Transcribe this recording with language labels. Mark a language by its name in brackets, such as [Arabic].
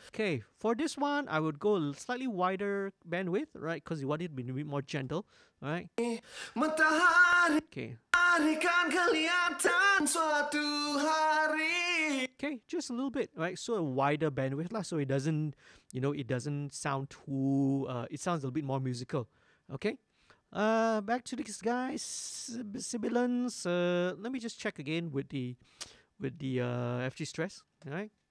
[English] Okay, for this one, I would go slightly wider bandwidth, right? Because you want it to be a bit more gentle, right? [Malay] Matahari. [English] Okay. [Malay] Kan kelihatan suatu hari. [English] Okay, just a little bit, right? So a wider bandwidth lah, so it doesn't, you know, it doesn't sound too, it sounds a little bit more musical, okay? Back to this guy, sibilance. Let me just check again with the FG stress, alright?